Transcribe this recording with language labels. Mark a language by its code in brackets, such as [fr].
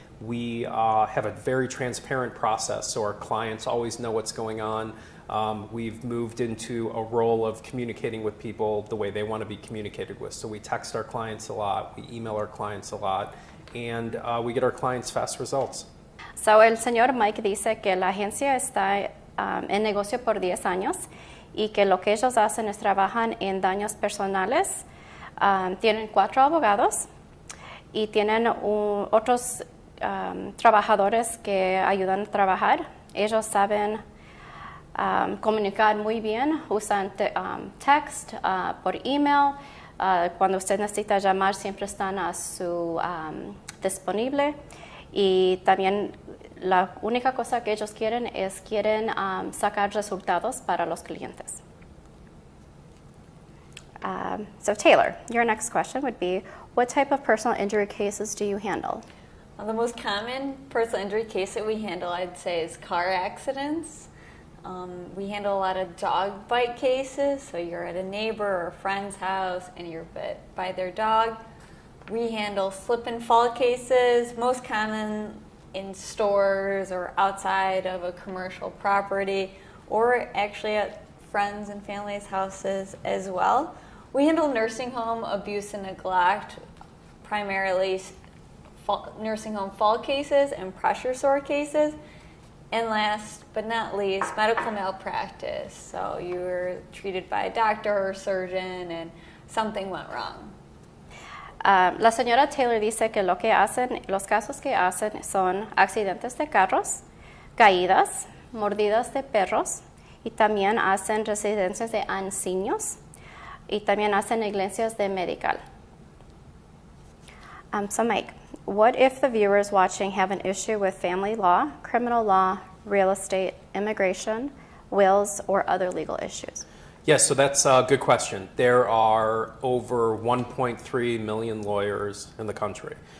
[en] We have a very transparent process, so our clients always know what's going on. We've moved into a role of communicating with people the way they want to be communicated with. So we text our clients a lot, we email our clients a lot, and we get our clients fast results. [es] So el señor Mike dice que la agencia está en negocio por 10 años y que lo que ellos hacen es trabajan en daños personales. Tienen 4 abogados y tienen otros trabajadores que ayudan a trabajar. Ellos saben comunicar muy bien, usan text, por email. Cuando usted necesita llamar, siempre están a su disponible. Y también la única cosa que ellos quieren es quieren sacar resultados para los clientes. [en] So Taylor, your next question would be, what type of personal injury cases do you handle? Well, the most common personal injury case that we handle, I'd say, is car accidents. We handle a lot of dog bite cases, so you're at a neighbor or a friend's house and you're bit by their dog. We handle slip and fall cases, most common in stores or outside of a commercial property or actually at friends and family's houses as well. We handle nursing home abuse and neglect, primarily nursing home fall cases and pressure sore cases. And last but not least, medical malpractice. So you were treated by a doctor or surgeon and something went wrong. [es] La señora Taylor dice que lo que hacen, los casos que hacen son accidentes de carros, caídas, mordidas de perros, y también hacen residencias de ancianos, y también hacen negligencias de medical. [en] So Mike, what if the viewers watching have an issue with family law, criminal law, real estate, immigration, wills, or other legal issues? Yes, so that's a good question. There are over 1.3 million lawyers in the country.